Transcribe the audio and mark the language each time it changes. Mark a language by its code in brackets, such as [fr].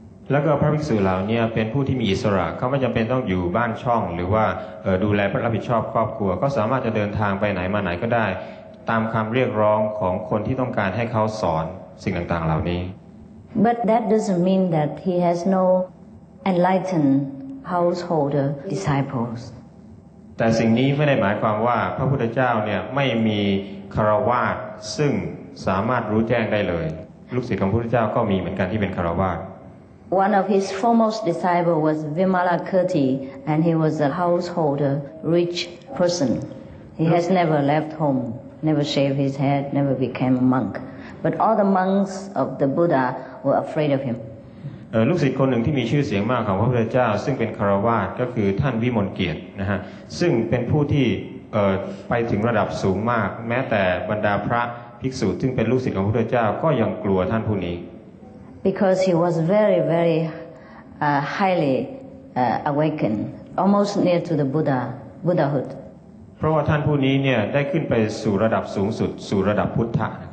[th] แล้วก็พระภิกษุเหล่านี้เป็นผู้ที่มีอิสระเขาไม่จำเป็นต้องอยู่บ้านช่องหรือว่าดูแลรับผิดชอบครอบครัวก็สามารถจะเดินทางไปไหนมาไหนก็ได้ตามคำเรียกร้องของคนที่ต้องการให้เขาสอนสิ่งต่างๆเหล่านี้ [en] But that doesn't mean that he has no enlightened householder disciples. [th] แต่สิ่งนี้ไม่ได้หมายความว่าพระพุทธเจ้าเนี่ยไม่มีคฤหัสถ์ซึ่งสามารถรู้แจ้งได้เลยลูกศิษย์ของพระพุทธเจ้าก็มีเหมือนกันที่เป็นคฤหัส [en] ถ์ One of his foremost disciples was Vimalakirti and he was a householder rich person. He has never left home, never shaved his head, never became a monk. But all the monks of the Buddha were afraid of him. [th] ลูกศิษย์คนหนึ่งที่มีชื่อเสียงมากของพระพุทธเจ้าซึ่งเป็นคฤหัสถ์ก็คือท่านวิมลเกียรตินะฮะซึ่งเป็นผู้ที่ไปถึงระดับสูงมากแม้แต่บรรดาพระภิกษุซึ่งเป็นลูกศิษย์ของพระพุทธเจ้าก็ยังกลัวท่านผู้นี้ [en] Because he was very very highly awakened almost near to the Buddha Buddhahood. [th] เพราะว่าท่านผู้นี้เนี่ยได้ขึ้นไปสู่ระดับสูงสุดสู่ระดับพุทธะ